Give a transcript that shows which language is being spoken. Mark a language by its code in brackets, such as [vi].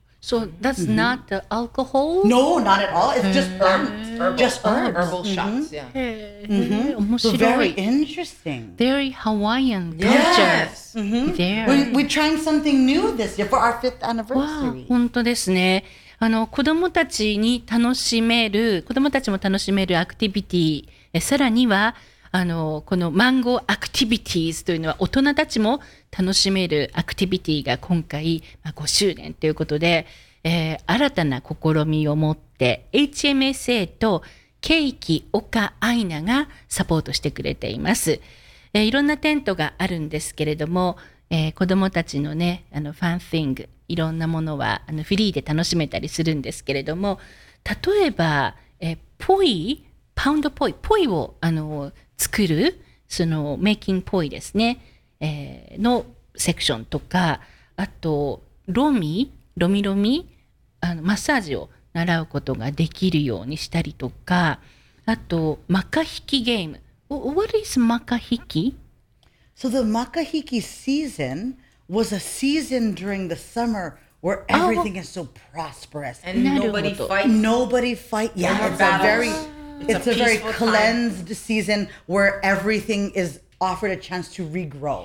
[en] So that's not the alcohol? No, not at all. It's just herbs. Just herbs. Herbal shots, So very interesting. Very Hawaiian culture. Yes. We're trying something new this year for our fifth anniversary. [ja] Wow, 本当ですね。あの子どもたちに楽しめる子どもたちも楽しめるアクティビティさらにはあのこのマンゴーアクティビティーズというのは大人たちも楽しめるアクティビティが今回、まあ、5周年ということで、新たな試みを持って HMSA とケイキ・オカ・アイナがサポートしてくれています、いろんなテントがあるんですけれども、子どもたちのねあのファンスイングいろんなものはあのフリーで楽しめたりするんですけれども例えばポイパウンドポイポイをあの作るそのメイキングポイですね、のセクションとかあとロミあのマッサージを習うことができるようにしたりとかあとマカヒキゲーム [en] What is [ja] マカヒキ? [en] So the マカヒキ seasonwas a season during the summer where everything is so prosperous. And nobody fights. Nobody fights. Yeah, it's a very cleansed season where everything is offered a chance to regrow.